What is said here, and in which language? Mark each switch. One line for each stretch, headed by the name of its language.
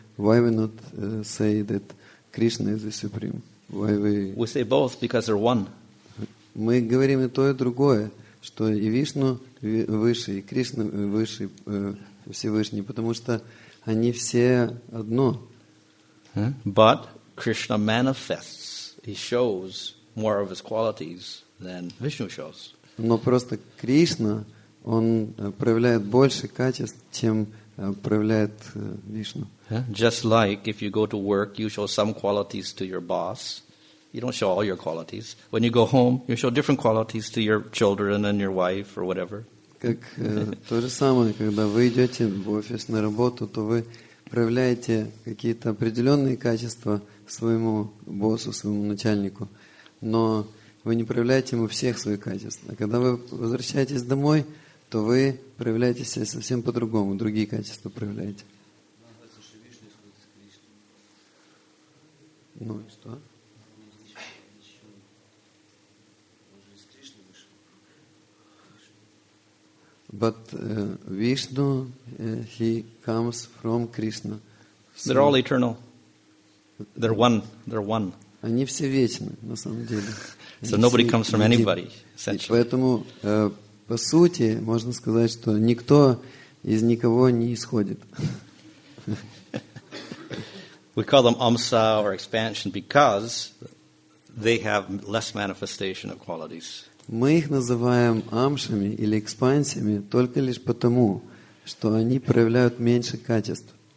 English: Why we not say that Krishna is the supreme? Why we say both because they're one.
Russian: Мы говорим и то, и другое, что и Вишну выше, и Кришна выше, Всевышний, потому что они все одно.
English: But Krishna manifests, he shows more of his qualities than Vishnu shows.
Russian: Но просто Кришна, он проявляет больше качеств, чем проявляет Вишну.
English: Just like if you go to work, you show some qualities to your boss. You don't show all your qualities. When you go home, you show different qualities to your children and your wife or whatever.
Russian: Как то же самое, когда вы идете в офис на работу, то вы проявляете какие-то определенные качества своему боссу, своему начальнику, но вы не проявляете ему всех своих качеств. А когда вы возвращаетесь домой, то вы проявляете себя совсем по-другому, другие качества проявляете. Ну и что?
English: But Vishnu, he comes from Krishna. So, they're all eternal. They're one. They're one.
Russian: Они все вечны, на самом деле.
English: So nobody comes from anybody, essentially.
Russian: Поэтому, по сути, можно сказать, что никто из никого не исходит.
English: We call them amsa or expansion because they have less manifestation of qualities.
Russian: Мы их называем амшами или экспансиями только лишь потому, что они проявляют меньше качеств.